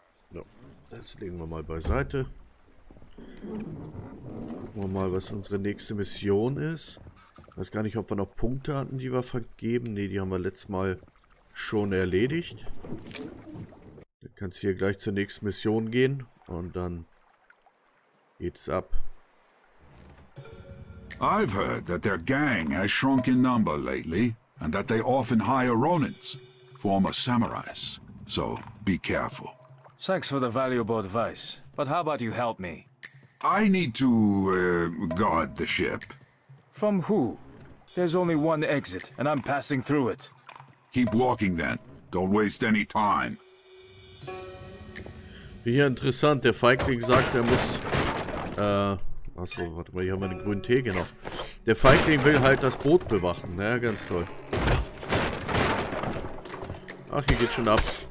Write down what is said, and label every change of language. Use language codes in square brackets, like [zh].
[de] Ja, das legen wir mal beiseite. Gucken wir mal, was unsere nächste Mission ist. Ich weiß gar nicht, ob wir noch Punkte hatten, die wir vergeben. Ne, die haben wir letztes Mal schon erledigt. Dann kann es hier gleich zur nächsten Mission gehen. Und dann geht's ab. [en] I've heard that their gang has shrunk in number lately and that they often hire Ronins, former samurais. So be careful. Thanks for the valuable advice, but how about you help me? I need to guard the ship. From who? There's only one exit and I'm passing through it. Keep walking then. Don't waste any time. [de] Hier interessant, der Feigling sagt, er muss Achso, warte mal, hier haben wir den grünen Tee, genau. Der Feigling will halt das Boot bewachen. Ja, ganz toll. Ach, hier geht's schon ab.